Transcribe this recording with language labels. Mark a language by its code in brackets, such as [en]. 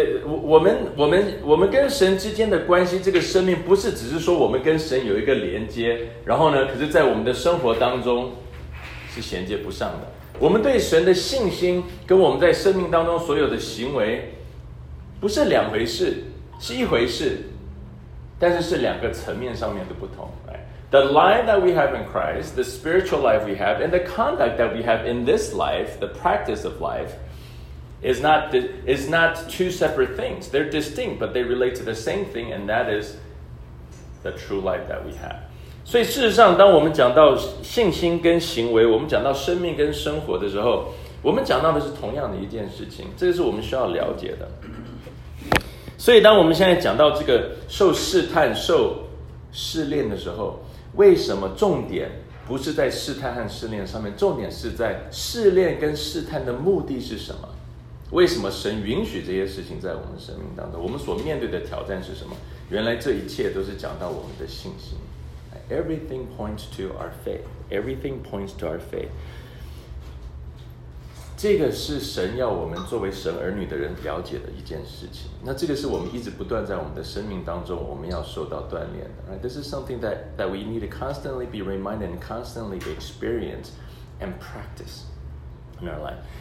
[zh] 我们跟神之间的关系，这个生命不是只是说我们跟神有一个连接，然后呢，可是在我们的生活当中是衔接不上的。我们对神的信心跟我们在生命当中所有的行为不是两回事，是一回事。但是是两个层面上面的不同、 [en] right? The life that we have in Christ, the spiritual life we have, and the conduct that we have in this life, the practice of life, is not two separate things. They're distinct, but they relate to the same thing, and that is the true life that we have. [zh] 所以事实上，当我们讲到信心跟行为，我们讲到生命跟生活的时候，我们讲到的是同样的一件事情，这是我们需要了解的。所以当我们现在讲到这个受试探受试炼的时候，为什么重点不是在试探和试炼上面，重点是在试炼跟试探的目的是什么？为什么神允许这些事情在我们生命当中？我们所面对的挑战是什么？原来这一切都是讲到我们的信心。 [en] Everything points to our faith. Everything points to our faith. [zh] 这个是神要我们作为神儿女的人了解的一件事情。那这个是我们一直不断在我们的生命当中我们要受到锻炼的。 [en] Right? This is something that we need to constantly be reminded and constantly experience and practice in our life.